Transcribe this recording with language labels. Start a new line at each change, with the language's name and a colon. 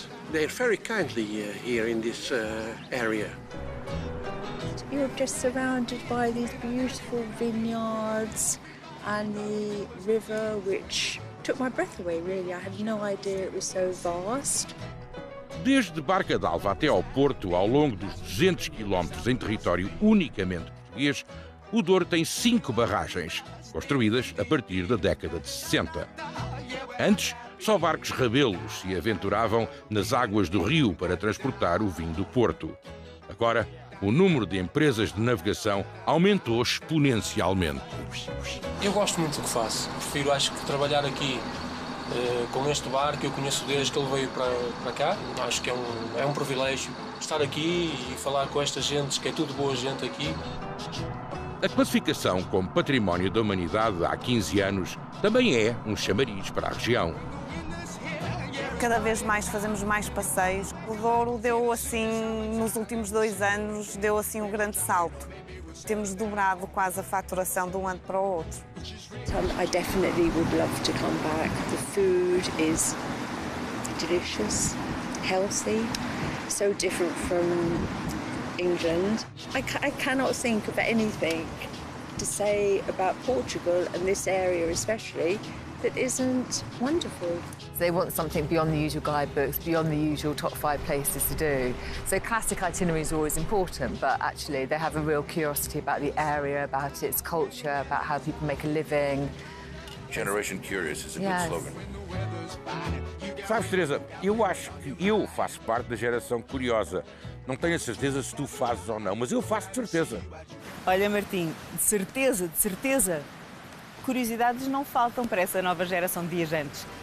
English: They're very kindly here in this area. You're just surrounded by these beautiful vineyards and the river, which took my breath away, really. I had no idea it was so vast.
Portuguese: Desde Barca d'Alva até ao Porto, ao longo dos 200 quilómetros em território unicamente português, o Douro tem 5 barragens, construídas a partir da década de 60. Antes, só barcos rebelos se aventuravam nas águas do rio para transportar o vinho do Porto. Agora, o número de empresas de navegação aumentou exponencialmente. Eu gosto muito do que faço. Prefiro, acho que, trabalhar aqui com este barco. Eu conheço desde que ele veio para cá. Acho que é um privilégio estar aqui e falar com esta gente, que é tudo boa gente aqui. A classificação como Património da Humanidade há 15 anos também é um chamariz para a região. Cada vez mais fazemos mais passeios. O Douro deu, assim, nos últimos 2 anos, deu assim um grande salto. Temos dobrado quase a faturação de um ano para o outro.
English: I definitely would love to come back. The food is delicious, healthy, so different from England. I cannot think of anything to say about Portugal and this area especially that isn't wonderful. They want something beyond the usual guidebooks, beyond the usual top 5 places to do. So classic itineraries are always important, but actually they have a real curiosity about the area, about its culture, about how people make a living. Generation Curious is a yes. Good slogan.
Portuguese: Sabes, Teresa, eu acho que eu faço parte da geração curiosa. Não tenho a certeza se tu fazes ou não, mas eu faço de certeza. Olha, Martim, de certeza, curiosidades não faltam para essa nova geração de viajantes.